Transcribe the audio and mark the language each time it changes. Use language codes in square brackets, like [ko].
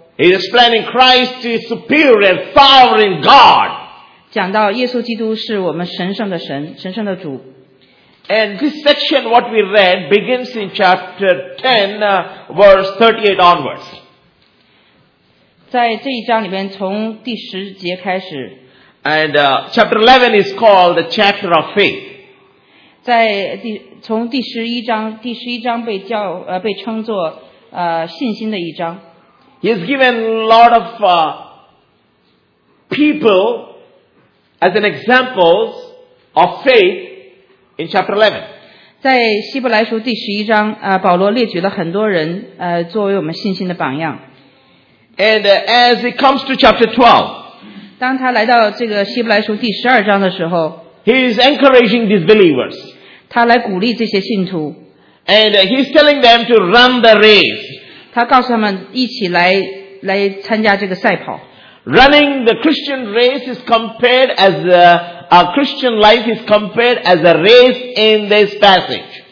[en] He's explaining Christ is superior, sovereign God. [zh] 讲到耶稣基督是我们神圣的神，神圣的主。 [en] And this section, what we read, begins in chapter 10, verse 38 onwards. [zh] 在这一章里面，从第十节开始。 [en] And chapter 11 is called the chapter of faith. [zh] 从第十一章被称作信心的一章。 [en] He has given a lot of people as an example of faith. In chapter 11, [zh] 在希伯来书第十一章， 保罗列举了很多人， 作为我们信心的榜样。 [en] And as it comes to chapter 12, [zh] 当他来到这个希伯来书第十二章的时候， [en] he is encouraging these believers. [zh] 他来鼓励这些信徒。 [en] And he's telling them to run the race. [zh] 他告诉他们一起来参加这个赛跑。 [en] Running the Christian race is compared as a Christian life is compared as a race in this passage.